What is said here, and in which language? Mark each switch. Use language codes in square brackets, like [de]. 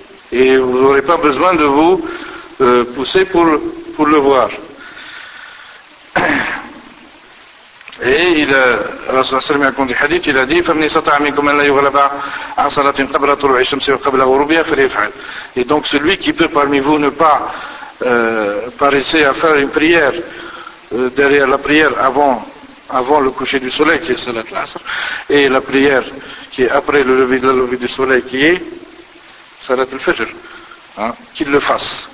[fr] Et vous n'aurez pas besoin de vous pousser pour le voir. Et il a, Rasulullah sallam a conduit hadith, il a dit, [ar] فَمْنِ سَطَعَ مِنْكُمْ أَنْ لَا يُغْلَبَ عَنْ صَلَاتٍ قَبْلَ طُلُوعِ الشَّمْسِ وَقَبْلَ غُرُوبِهَا فَلْيَفْعَلْ. [fr] Et donc celui qui peut parmi vous ne pas paraissait à faire une prière derrière la prière avant le coucher du soleil qui est Salat l'Asr et la prière qui est après le lever de la levée du soleil qui est Salat al-Fajr, hein, qu'il le fasse.